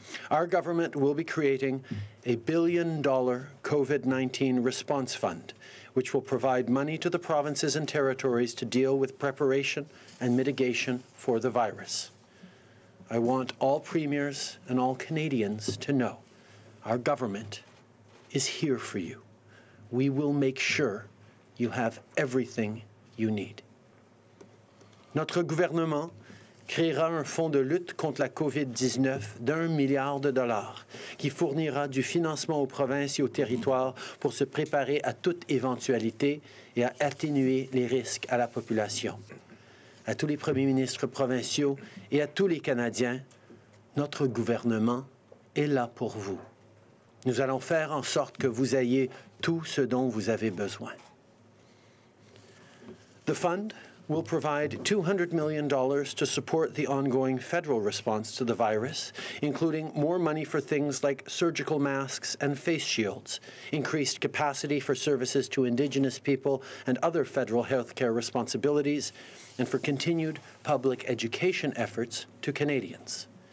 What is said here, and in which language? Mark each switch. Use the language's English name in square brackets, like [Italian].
[English] Our government will be creating a $1 billion COVID-19 response fund, which will provide money to the provinces and territories to deal with preparation and mitigation for the virus. I want all premiers and all Canadians to know our government is here for you. We will make sure you have everything you need. [French] Notre gouvernement créera un fonds de lutte contre la COVID-19 d'$1 milliard qui fournira du financement aux provinces et aux territoires pour se préparer à toute éventualité et à atténuer les risques à la population. À tous les premiers ministres provinciaux et à tous les Canadiens, notre gouvernement est là pour vous. Nous allons faire en sorte que vous ayez tout ce dont vous avez besoin. [English] The fund will provide $200 million to support the ongoing federal response to the virus, including more money for things like surgical masks and face shields, increased capacity for services to Indigenous people and other federal health care responsibilities, and for continued public education efforts to Canadians.